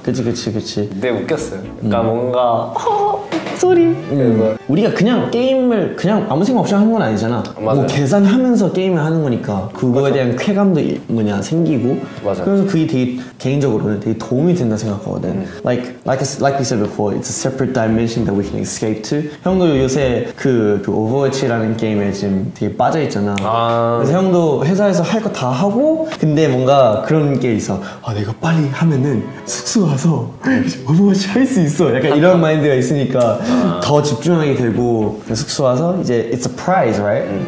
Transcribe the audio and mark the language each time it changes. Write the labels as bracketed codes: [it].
[ko] 그치. 근데 웃겼어요. 그러니까 뭔가 소리. 우리가 그냥 게임을 그냥 아무 생각 없이 하는 건 아니잖아. 맞아요. 뭐 계산하면서 게임을 하는 거니까 그거에 맞아. 대한 쾌감도 뭐냐 생기고. 맞아. 그래서 그게 되게 개인적으로는 되게 도움이 된다 생각하거든. [en] Like we said before, it's a separate dimension that we can escape to. [ko] 형도 요새 그 오버워치라는 게임에 지금 되게 빠져 있잖아. 아. 그래서 형도 회사에서 할 거 다 하고 근데 뭔가 그런 게 있어. 아 내가 빨리 하면은 숙소 와서 오버워치 할 수 있어. 약간 이런 마인드가 있으니까. 더 집중하게 되고 숙소 와서 이제 [en] it's a prize, right?